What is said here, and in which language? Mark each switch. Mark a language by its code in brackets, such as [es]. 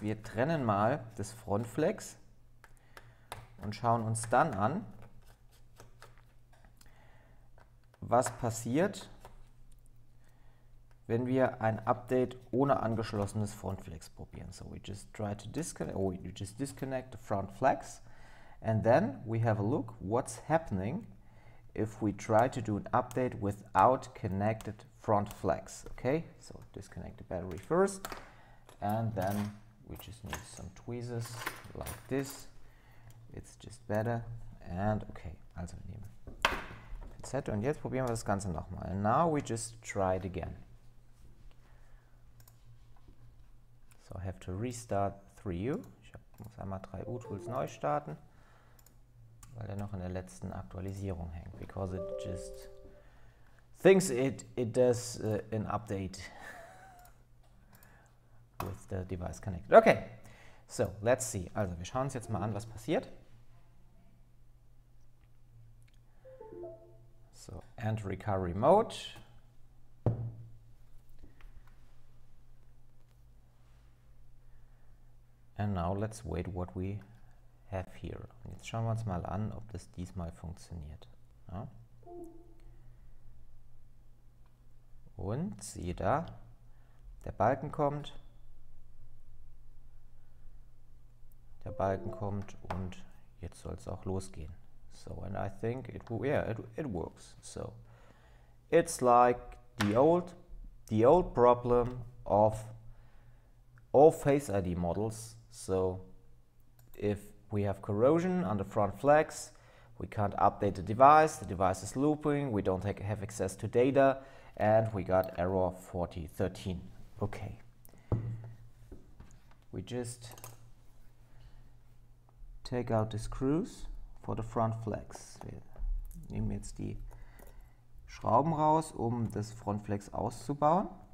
[de] Wir trennen mal das Frontflex und schauen uns dann an, was passiert, wenn wir ein Update ohne angeschlossenes Frontflex probieren. [en] So we just try to disconnect, or we just disconnect the front flex. And then we have a look what's happening if we try to do an update without connected front flex. Okay, so disconnect the battery first. And then we just need some tweezers like this. It's just better. And okay, [de] also nehmen. Und jetzt probieren wir das Ganze nochmal. [en] Now we just try it again. So I have to restart 3U. [de] Ich muss einmal 3U-Tools neu starten, weil er noch in der letzten Aktualisierung hängt. [en] Because it just thinks it does an update with the device connected. Okay, so let's see. [de] Also wir schauen uns jetzt mal an, was passiert. [en] So, and recovery mode. And now let's wait what we have here. [de] Und jetzt schauen wir uns mal an, ob das diesmal funktioniert. Ja. Und siehe da, der Balken kommt. Der Balken kommt und jetzt soll es auch losgehen. [en] So, and I think it works. So, it's like the old problem of all Face ID models. So, if we have corrosion on the front flex, we can't update the device is looping, we don't have access to data, and we got error 4013. Okay. We just take out the screws for the front flex. [de] Wir nehmen jetzt die Schrauben raus, um das Front Flex auszubauen.